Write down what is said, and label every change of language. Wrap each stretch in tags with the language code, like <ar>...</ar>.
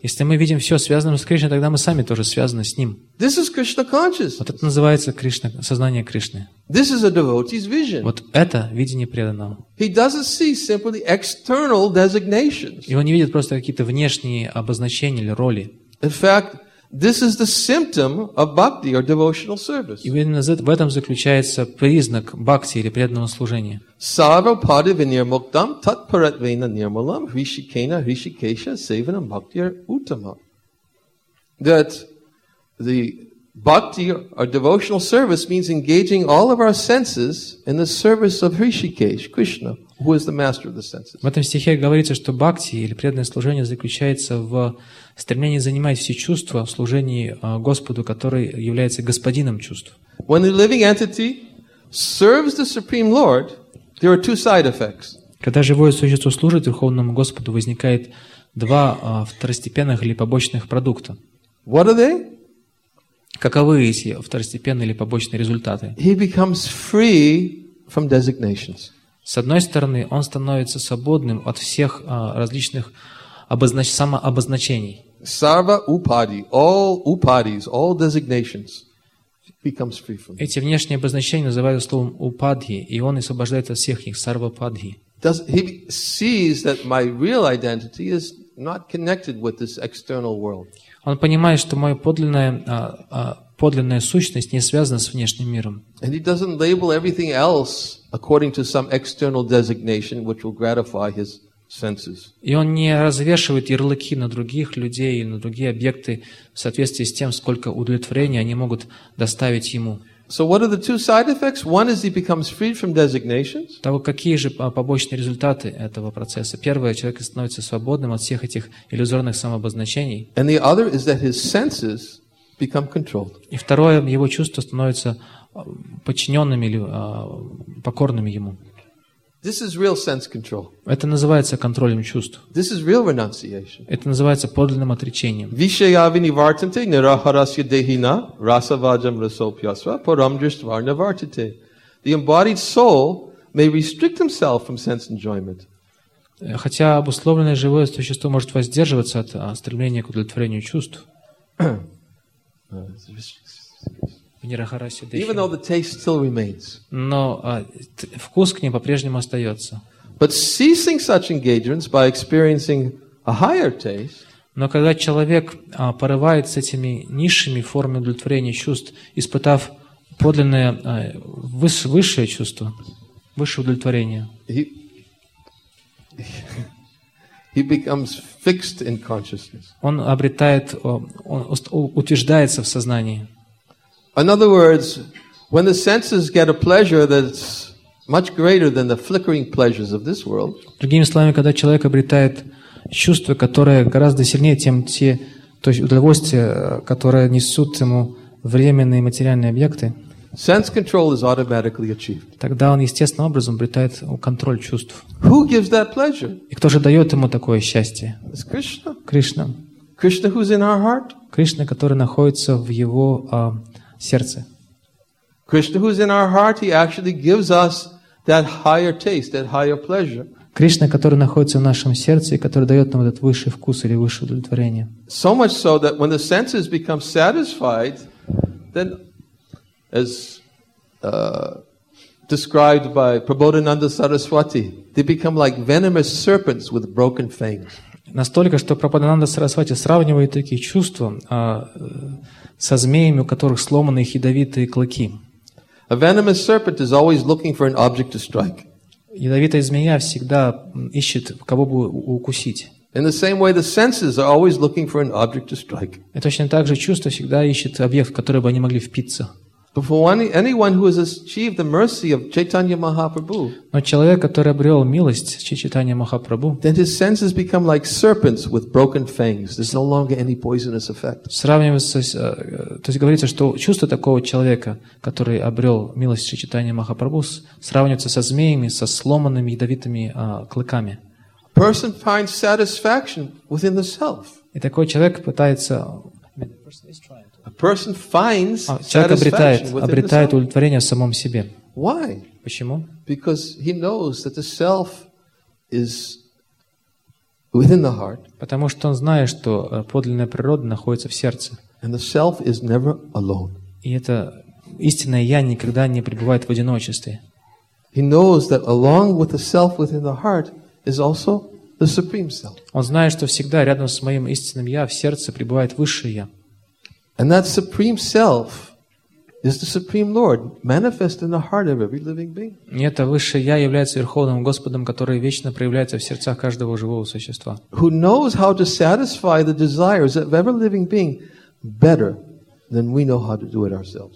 <ru>Если мы видим все связанным с Кришной, тогда мы сами тоже связаны с Ним.</ru> <en>This is Krishna consciousness.</en> <ru>Вот это называется Кришна, сознание Кришны.</ru> <en>This is a devotee's vision.</en> <ru>Вот это видение преданного.</ru> <en>He doesn't see simply external designations.</en> <ru>И он не видит просто какие-то внешние обозначения или роли.</ru> <en>In fact, this is the symptom of bhakti or devotional service.</en> <ru>И именно в этом заключается признак бхакти или преданного служения.</ru> <sa>Sarva pada vinirmuktam tat paratvena nirmalam hrishikena hrishikesha sevanam bhaktir uttama.</sa> <en>That the bhakti or devotional service means engaging all of our senses in the service of Hrishikesh, Krishna, who is the master of the senses.</en> <ru>В этом стихе говорится, что бхакти или преданное служение заключается в стремлении занимать все чувства в служении Господу, который является господином чувств.</ru> <en>When the living entity serves the Supreme Lord, there are two side effects.</en> <ru>Когда живое существо служит Верховному Господу, возникает два второстепенных или побочных продукта.</ru> <en>What are they?</en> <ru>Каковы эти второстепенные или побочные результаты?</ru> <en>He becomes free from designations.</en> <ru>С одной стороны, он становится свободным от всех различных самообозначений.</ru> <en>Sarva upadi, all upadis, all designations. Becomes free from.</en> <ru>Эти внешние обозначения называют словом упадхи, и он освобождается от всех их сарвападхи.</ru> <en>Does he sees that my real identity is not connected with this external world?</en> <ru>Он понимает, что моя подлинная сущность не связана с внешним миром.</ru> <en>And he doesn't label everything else according to some external designation which will gratify his senses.</en> <ru>И он не развешивает ярлыки на других людей и на другие объекты в соответствии с тем, сколько удовлетворения они могут доставить ему.</ru> <en>So what are the two side effects? One is he becomes freed from designations.</en> <ru>Так какие же побочные результаты этого процесса? Первое, человек становится свободным от всех этих иллюзорных самообозначений.</ru> <en>And the other is that his senses become controlled.</en> <ru>И второе, его чувства становятся подчиненными или покорными ему.</ru> <en>This is real sense control.</en> <ru>Это называется контролем чувств.</ru> <en>This is real renunciation.</en> <ru>Это называется подлинным отречением.</ru> <sa>Vishaya vinivartante niraharasya dehina rasavajam rasopyasva param drishtvar nivartate.</sa> <en>The embodied soul may restrict himself from sense enjoyment.</en> <ru>Хотя обусловленное живое существо может воздерживаться от стремления к удовлетворению чувств.</ru> <en>Even though the taste still remains.</en> <ru>Но вкус к ним по-прежнему остается.</ru> <en>But ceasing such engagements by experiencing a higher taste.</en> <ru>Но когда человек порывает с этими низшими формами удовлетворения чувств, испытав подлинное высшее чувство, высшее удовлетворение.</ru> <en>He becomes fixed in consciousness.</en> <ru>Он обретает, он утверждается в сознании.</ru> <en>In other words, when the senses get a pleasure that's much greater than the flickering pleasures of this world.</en> <ru>Другими словами, когда человек обретает чувство, которое гораздо сильнее, чем те, то есть удовольствия, которые несут ему временные материальные объекты.</ru> <en>Sense control is automatically achieved.</en> <ru>Тогда он естественным образом обретает контроль чувств.</ru> <en>Who gives that pleasure?</en> <ru>И кто же дает ему такое счастье?</ru> <en>It's Krishna.</en> <ru>Кришна.</ru> <en>Krishna, who's in our heart?</en> <ru>Кришна, который находится в его сердце.</ru> <en>Krishna, who's in our heart, he actually gives us that higher taste, that higher pleasure.</en> <ru>Кришна, который находится в нашем сердце и который дает нам этот высший вкус или высшее удовлетворение.</ru> <en>So much so that when the senses become satisfied, then as described by Prabodhananda Saraswati, they become like venomous serpents with broken fangs.</en> <ru>Настолько, что Прабодхананда Сарасвати сравнивает такие чувства со змеями, у которых сломаны их ядовитые клыки.</ru> <en>A venomous serpent is always looking for an object to strike.</en> <ru>Ядовитая змея всегда ищет, кого бы укусить.</ru> <en>In the same way, the senses are always looking for an object to strike.</en> <ru>И точно так же чувства всегда ищут объект, в который бы они могли впиться.</ru> <en>But for anyone who has achieved the mercy of Chaitanya Mahaprabhu,</en> <ru>но человек, который обрел милость Чайтанья Махапрабху,</ru> <en>then his senses become like serpents with broken fangs. There's no longer any poisonous effect.</en> <ru>Сравнивается, то есть говорится, что чувство такого человека, который обрел милость Чайтанья Махапрабху, сравнивается со змеями, со сломанными ядовитыми клыками.</ru> <en>A person finds satisfaction within the self.</en> <ru>И такой человек пытается.</ru> <en>Person finds</en> <ru>человек обретает удовлетворение в самом себе.</ru> <en>Why?</en> <ru>Почему?</ru> <en>Because he knows that the self is within the heart.</en> <ru>Потому что он знает, что подлинная природа находится в сердце.</ru> <en>And the self is never alone.</en> <ru>И это истинное я никогда не пребывает в одиночестве.</ru> <en>He knows that along with the self within the heart is also the supreme self.</en> <ru>Он знает, что всегда рядом с моим истинным я в сердце пребывает высшее я.</ru> <en>And that supreme self is the supreme Lord, manifest in the heart of every living being.</en> <ru>Это высшее я является верховным Господом, который вечно проявляется в сердцах каждого живого существа.</ru> <en>Who knows how to satisfy the desires of every living being better than we know how to do it ourselves.</en>